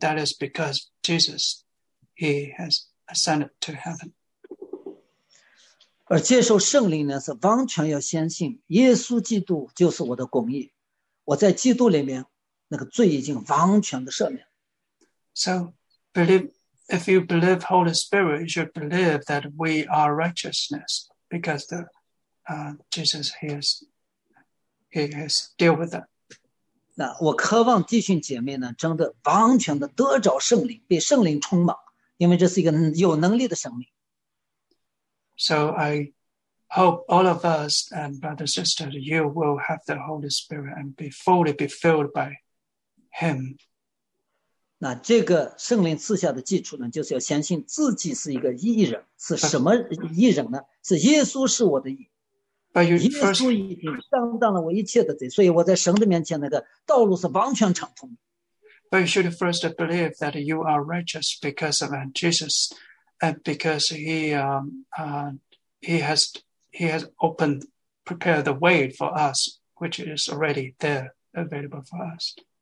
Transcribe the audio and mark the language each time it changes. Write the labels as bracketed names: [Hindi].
[English] That is because Jesus, he has ascended to heaven. [Chinese] 而接受圣灵呢，是完全要相信耶稣基督就是我的公义，我在基督里面，那个罪已经完全的赦免。 [English] So, believe, if you believe Holy Spirit, you should believe that we are righteousness because the Jesus he has dealt with them. [Chinese] 那我渴望弟兄姐妹呢，真的完全的得着圣灵，被圣灵充满，因为这是一个有能力的生命。 [English] So I hope all of us and brothers and sisters, you will have the Holy Spirit and be fully be filled by Him. [Chinese] 那这个圣灵赐下的基础呢，就是要相信自己是一个义人，是什么义人呢？是耶稣是我的义。 [English] But you [Chinese] 耶稣已经担当了我一切的罪，所以我在神的面前那个道路是完全畅通的。 [English] But you should first believe that you are righteous because of Jesus, and because he has opened, prepared the way for us, which is already there, available for us.